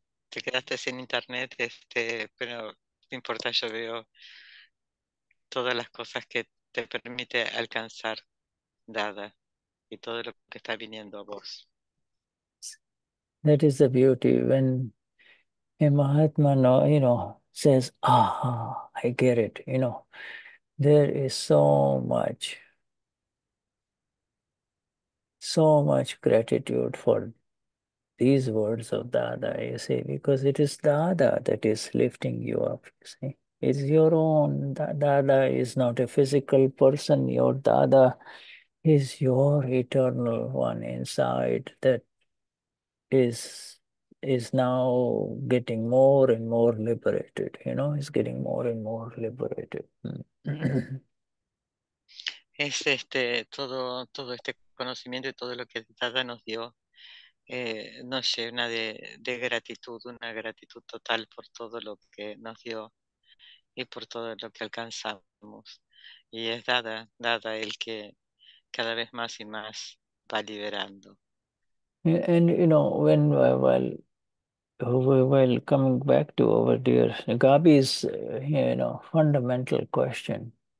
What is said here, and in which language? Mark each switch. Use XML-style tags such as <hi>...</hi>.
<es>Te quedaste sin internet, pero no importa, yo veo todas las cosas que te permite alcanzar Dada y todo lo que está viniendo a vos.</es> <en>That is the beauty when a Mahatma, you know, says, "Ah, I get it." You know, there is so much gratitude for these words of Dada, you see, because it is Dada that is lifting you up, you see. It's your own. Dada is not a physical person. Your Dada is your eternal one inside that is now getting more and more liberated, you know, is getting more and more liberated.</en> <es>Es todo este conocimiento y todo lo que Dada nos dio nos llena de gratitud, una gratitud total por todo lo que nos dio y por todo lo que alcanzamos. Y es Dada el cada vez más y más va liberando.</es> <en>And you know, when while coming back to our dear Gabi's, fundamental question,</en>